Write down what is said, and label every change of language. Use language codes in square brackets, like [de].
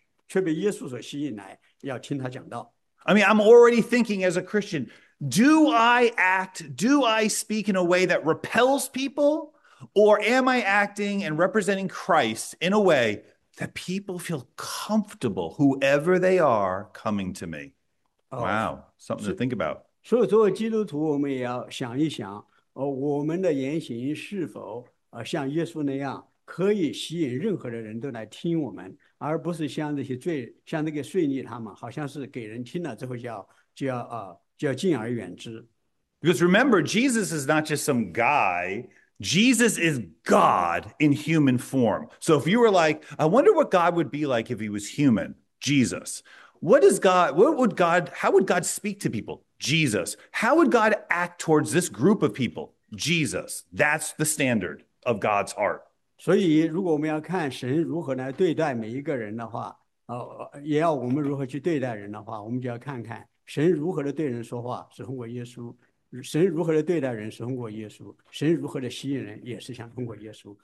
[en] Wow. [zh] 你看，你看这样没有在这些宗教人士眼里都没有希望的一些人，这些的被人所唾弃的、被社会所不接纳的，可以说是被人称为人渣的人，却被耶稣所吸引来要听他讲道。 [en] I mean, I'm already thinking as a Christian, do I act, do I speak in a way that repels people? Or am I acting and representing Christ in a way that people feel comfortable, whoever they are, coming to me? Wow, something to think about. [zh] 所以作为基督徒，我们也要想一想，我们的言行是否像耶稣那样，可以吸引任何的人都来听我们。而不是像那些税吏他们，好像是给人听了之后就要敬而远之。 [en] Because remember, Jesus is not just some guy. Jesus is God in human form. So if you were like, I wonder what God would be like if he was human, Jesus. How would God speak to people? Jesus. How would God act towards this group of people? Jesus. That's the standard of God's heart. [zh] 所以如果我们要看神如何来对待每一个人的话，也要我们如何去对待人的话，我们就要看看神如何的对人说话是通过耶稣，神如何的对待人是通过耶稣，神如何的吸引人也是想通过耶稣。